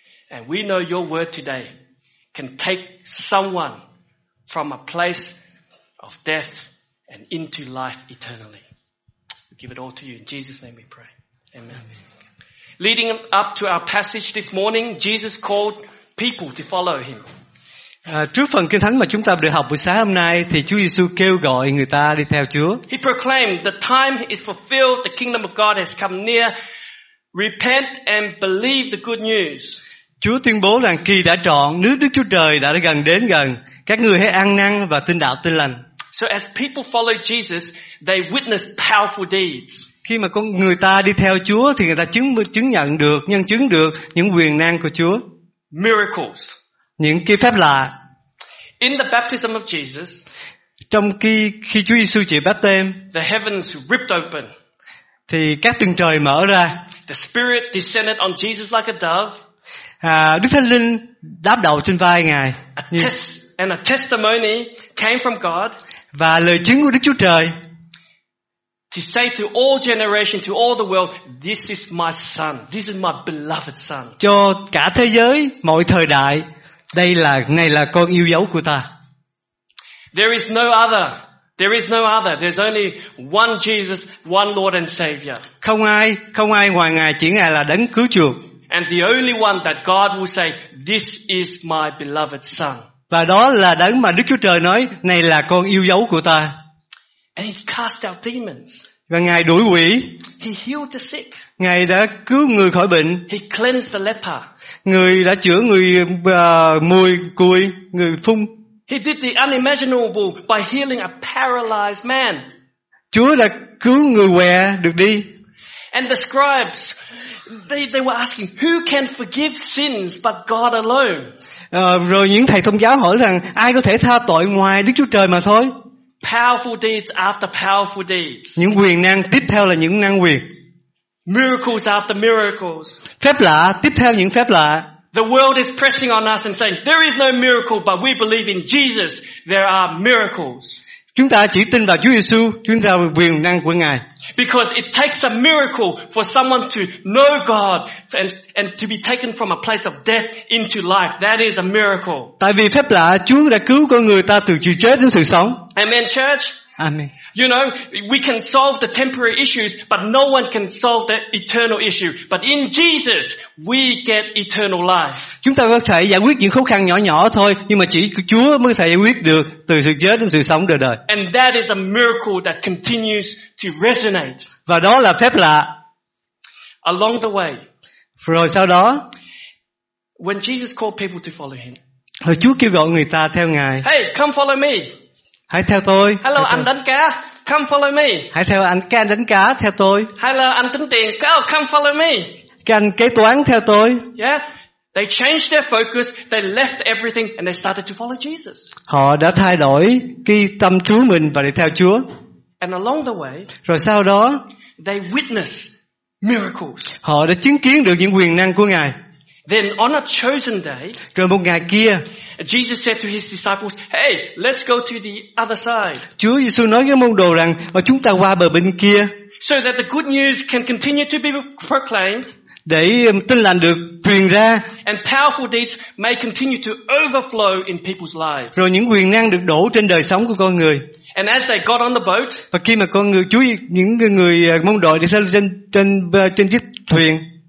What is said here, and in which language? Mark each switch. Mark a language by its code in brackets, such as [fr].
[en] And we know your word today can take someone from a place of death and into life eternally. Give it all to you. In Jesus' name we pray. Amen. Amen. Leading up to our passage this morning, Jesus called people to follow him. [vi] Trước phần kinh thánh mà chúng ta được học buổi sáng hôm nay thì Chúa Giêsu kêu gọi người ta đi theo Chúa. [en] He proclaimed the time is fulfilled, the kingdom of God has come near. Repent and believe the good news. [vi] Chúa tuyên bố rằng kỳ đã trọn, nước Đức Chúa Trời đã gần đến gần. Các người hãy ăn năn và tin đạo tin lành. [en] So as people follow Jesus, they witness powerful deeds. [vi] Khi mà con người ta đi theo Chúa thì người ta chứng nhận được, nhân chứng được những quyền năng của Chúa. [en] Miracles. [vi] Những cái phép lạ. [en] In the baptism of Jesus, [vi] trong khi Chúa Giêsu chịu báp têm, [en] the heavens ripped open. [vi] Thì các tầng trời mở ra. [en] The Spirit descended on Jesus like a dove. [vi] Đức Thánh Linh đáp đầu trên vai Ngài. [en] And a testimony came from God. [vi] Và lời chứng của Đức Chúa Trời. [en] To say to all generation, to all the world, this is my son. This is my beloved son. [vi] Cho cả thế giới, mọi thời đại, đây là này là con yêu dấu của ta. [en] There is no other. There is no other. There's only one Jesus, one Lord and Savior. [vi] Không ai ngoài Ngài, chỉ Ngài là đấng cứu chuộc. [en] And the only one that God will say, this is my beloved son. [vi] Và đó là đấng mà Đức Chúa Trời nói, này là con yêu dấu của ta. [en] And he cast out demons. [vi] Và Ngài đuổi quỷ. [en] He healed the sick. [vi] Ngài đã cứu người khỏi bệnh. [en] He cleansed the leper. [vi] Người đã chữa người mùi cùi, người phun. [en] He did the unimaginable by healing a paralyzed man. [vi] Chúa đã cứu người què được đi. [en] And the scribes, they were asking, who can forgive sins but God alone? [vi] Rồi những thầy thông giáo hỏi rằng ai có thể tha tội ngoài Đức Chúa Trời mà thôi. [en] Powerful deeds after powerful deeds. [vi] Những quyền năng tiếp theo là những năng quyền. [en] Miracles after miracles. [vi] Phép lạ tiếp theo những phép lạ. [en] The world is pressing on us and saying there is no miracle, but we believe in Jesus. There are miracles. [vi] Chúng ta chỉ tin vào Chúa Giêsu, chúng ta có quyền năng của Ngài. [en] Because it takes a miracle for someone to know God and to be taken from a place of death into life. That is a miracle. [vi] Tại vì phép lạ, Chúa đã cứu con người ta từ sự chết đến sự sống. [en] Amen, church. Amen. You know, we can solve the temporary issues, but no one can solve the eternal issue. But in Jesus, we get eternal life. [vi] Chúng ta có thể giải quyết những khó khăn nhỏ nhỏ thôi, nhưng mà chỉ Chúa mới có thể giải quyết được từ sự chết đến sự sống đời đời. [en] And that is a miracle that continues to resonate. [vi] Và đó là phép lạ. [en] Along the way. [vi] Rồi sau đó. [en] When Jesus called people to follow him. [vi] Rồi Chúa kêu gọi người ta theo Ngài. [en] Hey, come follow me. [vi] Hãy theo tôi. [en] Hello, [vi] theo anh tôi. Đánh cá. [en] Come follow me. [vi] Hãy theo anh cá đánh cá, theo tôi. [en] Hello, [vi] anh tính tiền. [en] Come follow me. [vi] Anh kế toán, theo tôi. [en] Yeah. They changed their focus. They left everything and they started to follow Jesus. [vi] Họ đã thay đổi cái tâm trú mình và đi theo Chúa. [en] And along the way, [vi] rồi sau đó, [en] they witnessed miracles. [vi] Họ đã chứng kiến được những quyền năng của Ngài. [en] Then on a chosen day, [vi] rồi một ngày kia, [en] Jesus said to his disciples, "Hey, let's go to the other side." [vi] Chúa Giêsu nói với môn đồ rằng, chúng ta qua bờ bên kia. [en] So that the good news can continue to be proclaimed. [vi] Để tin lành được truyền ra. [en] And powerful deeds may continue to overflow in people's lives. [vi] Rồi những quyền năng được đổ trên đời sống của con người. [en] And as they got on the boat, [vi] và khi mà con người, Chúa, những người môn đồ đi trên chiếc thuyền.